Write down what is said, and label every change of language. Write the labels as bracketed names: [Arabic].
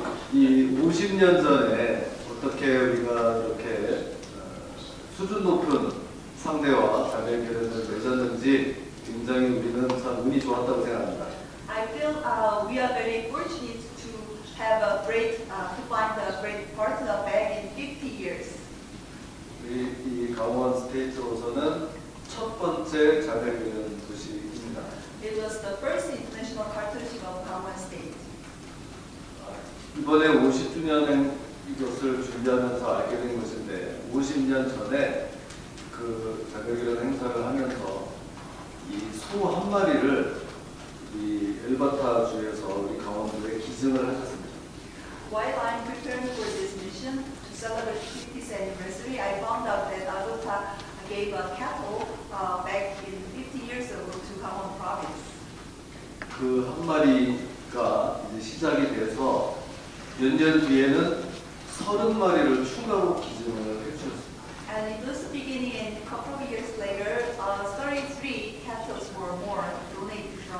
[Korean] 이 50년 전에 어떻게 우리가 이렇게 수준 높은 상대와 자매결연을 맺었는지 굉장히 우리는 참 운이 좋았다고 생각합니다. [English] I feel we are very fortunate to have a great, to find a great partner back in 50 years. [Korean] 이 강원 스테이트에서는 첫 번째 자매결연 도시입니다. [English] It was the first international partnership of Gangwon State. [Korean] 이번에 50주년에 이것을 준비하면서 알게 된 것인데 50년 전에 그 자매결연 행사를 하면서 이 소 한 마리를 이 엘바타 주에서 우리 강원도에 기증을 하셨습니다. [English] While I'm preparing for this mission to celebrate 50th anniversary, I found out that Alberta gave a cattle back in 50 years ago to Gangwon Province. [Korean] 그 한 마리가 이제 시작이 돼서 몇 년 뒤에는 30 마리를 추가로 기증을 해주셨습니다. [English] And it was the beginning, and a couple of years later, 33 cattle were more donated.